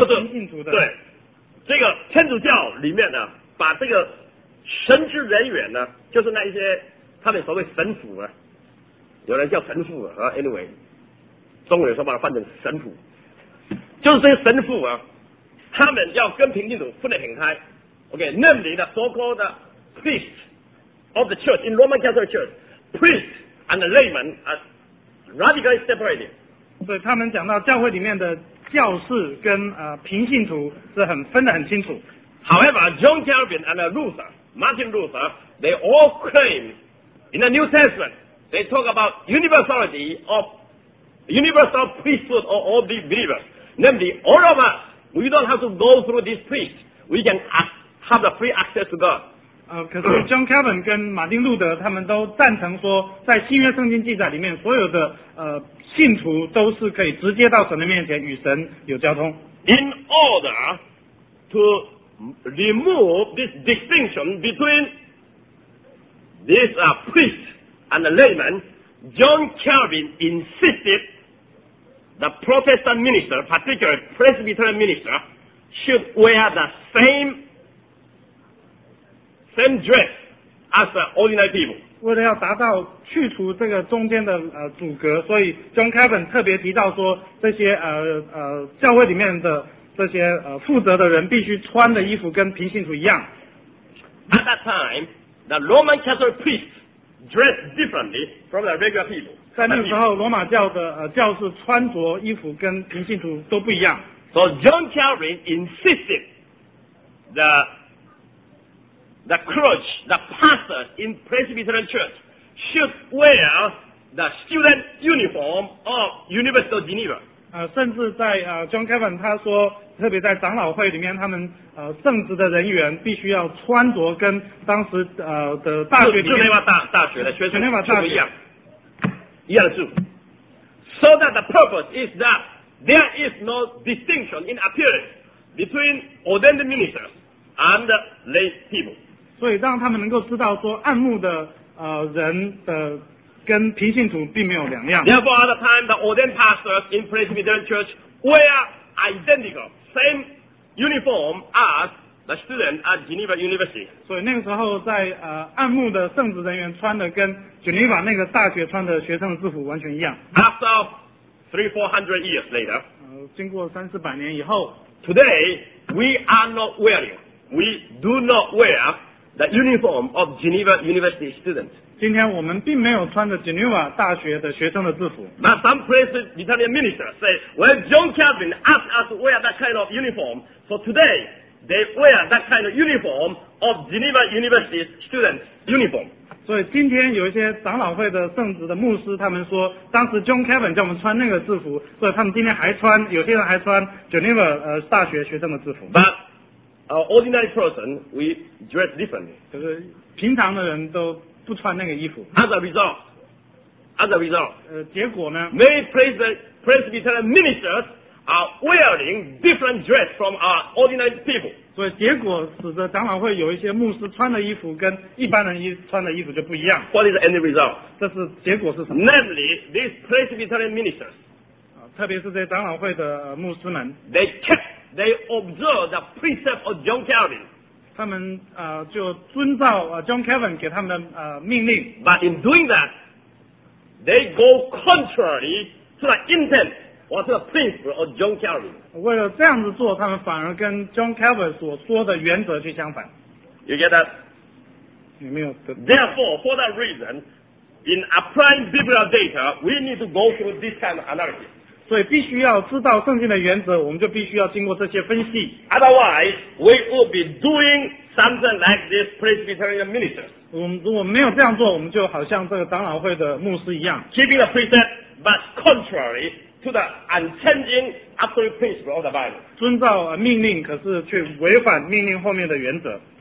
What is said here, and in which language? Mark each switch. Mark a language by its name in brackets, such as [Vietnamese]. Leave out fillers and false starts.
[Chinese] 是对这个天主教里面呢，把这个神职人员呢，就是那一些他们所谓神父啊，有人叫神父啊 ，anyway，中文有时候把它翻成神父，就是这些神父啊，他们要跟平信徒分得很开。 [English] OK， [Chinese] 那里的 [English] so-called priest of the church in Roman Catholic Church， priest and the layman are radically separated。 [Chinese] 对，他们讲到教会里面的教士跟平信徒是很分得很清楚。 [English] However， John Calvin and Luther， Martin Luther， they all claim in the New Testament they talk about universality of universal priesthood of all the believers， namely all of us。 We don't have to go through this priest. We can have the free access to God. [Chinese] 可是 John Calvin 跟马丁路德他们都赞成说，在新约圣经记载里面，所有的信徒都是可以直接到神的面前与神有交通。 [English] In order to remove this distinction between this priest and the layman, John Calvin insisted. The Protestant minister, particularly Presbyterian minister, should wear the same dress as the ordinary people. [Chinese] 为了要达到去除这个中间的阻隔，所以 John Calvin 特别提到说，这些教会里面的这些负责的人必须穿的衣服跟平信徒一样。 [English] At that time, the Roman Catholic priests dressed differently from the regular people. [Chinese] 在那个时候，罗马教的教士穿着衣服跟平信徒都不一样。 [English] So John Calvin insisted the clergy, the pastors in Presbyterian Church should wear the student uniform of University of Geneva. [Chinese] 甚至在John Calvin 他说，特别在长老会里面，他们圣职的人员必须要穿着跟当时的大学里面日内瓦大学的学生日内瓦大学一样。 [English] So that the purpose is that there is no distinction in appearance between ordained ministers and lay people. [Chinese] 所以让他们能够知道说暗牧的人的跟平信徒并没有两样。 [English] Therefore, at the time, the ordained pastors in Presbyterian Church wear identical, same uniform as the student at Geneva University. [Chinese] 所以那个时候在暗牧的圣职人员穿的跟Geneva 那个大学穿的学生的制服完全一样。 [English] After 300-400 years later, [Chinese] 经过三四百年以后 [English] ，Today we are not wearing, we do not wear the uniform of Geneva University students. [Chinese] 今天我们并没有穿着 Geneva 大学的学生的制服。 [English] Now some Presbyterian ministers say, "Well, John Calvin asked us to wear that kind of uniform, so today they wear that kind of uniform of Geneva University students uniform." [Chinese] 所以今天有一些长老会的圣职的牧师，他们说当时 John Calvin 叫我们穿那个制服，所以他们今天还穿，有些人还穿 Geneva 大学学生的制服。 [English] But our ordinary person we dress differently. [Chinese] 就是平常的人都不穿那个衣服。 [English] As a result, [Chinese] 结果呢 [English] ？Many Presbyterian ministers are wearing different dress from our ordinary people. [Chinese] 所以结果使得长老会有一些牧师穿的衣服跟一般人穿的衣服就不一样。 [English] What is the end result? [Chinese] 这是结果是什么 [English] ？Namely, these Presbyterian ministers, [Chinese] 特别是这些长老会的牧师们 [English] ，they observe the precept of John Calvin. [Chinese] 他们就遵照John Calvin 给他们的命令。 [English] But in doing that, they go contrary to the intent. What's the principle of John Calvin? [Chinese] 为了这样子做，他们反而跟 John Calvin 所说的原则去相反。 [English] You get that? [Chinese] 你没有。 [English] Therefore, for that reason, in applying biblical data, we need to go through this kind of analysis. [Chinese] 所以必须要知道圣经的原则，我们就必须要经过这些分析。 [English] Otherwise, we will be doing something like this Presbyterian minister. [Chinese] 我们如果没有这样做，我们就好像这个长老会的牧师一样 [English] ，keeping the precept, but contrary. To the unchanging absolute principle of the Bible. [Chinese] 遵照命令，可是却违反命令后面的原则。